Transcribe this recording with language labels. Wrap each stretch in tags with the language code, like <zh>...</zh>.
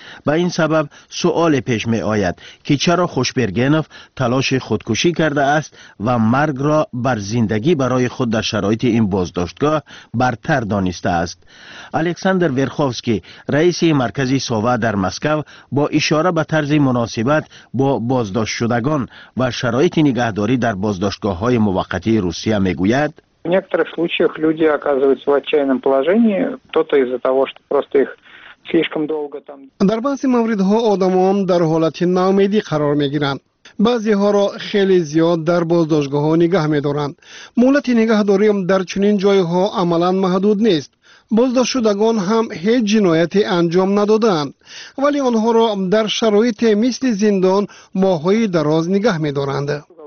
<fa>با این سبب سؤال پیش می آید که چرا خوشبرگنف تلاش خودکشی کرده است و مرگ را بر زندگی برای خود در شرایط این بازداشتگاه برتر دانسته است. الکساندر ورخوفسکی رئیس مرکز ساوا در مسکو با اشاره به طرز مناسبت با بازداشت شدگان و شرایط نگهداری در بازداشتگاه های موقتی روسیه می گوید</fa> <ru>в некоторых случаях люди оказываются в отчаянном положении, кто-то из-за того, что просто их слишком долго там.</ru> <fa>در بعضی موارد ها آدمان در حالت ناامیدی قرار می گیرند. بعضی ها را خیلی زیاد در بازداشتگاه ها نگه می دارند. مهلت نگهداری هم در چنین جای ها عملا محدود نیست. بازداشت شدگان هم هیچ جنایتی انجام ندادند، ولی آنها را در شرایط مثل زندان ماهای دراز نگه می دارند.</fa>